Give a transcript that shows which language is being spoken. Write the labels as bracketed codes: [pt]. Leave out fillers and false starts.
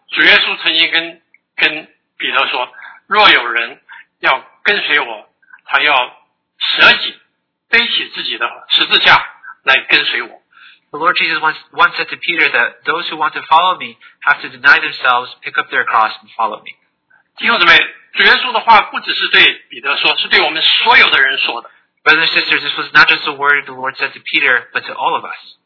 [zh] 主耶稣曾经跟彼得说, 若有人要跟随我, 他要舍己背起自己的十字架来跟随我。 [en] The Lord Jesus once said to Peter that those who want to follow me have to deny themselves, pick up their cross, and follow me. [zh] 弟兄姊妹，主耶稣的话不只是对彼得说，是对我们所有的人说的。 [en] Brothers and sisters, this was not just the word the Lord said to Peter, but to all of us.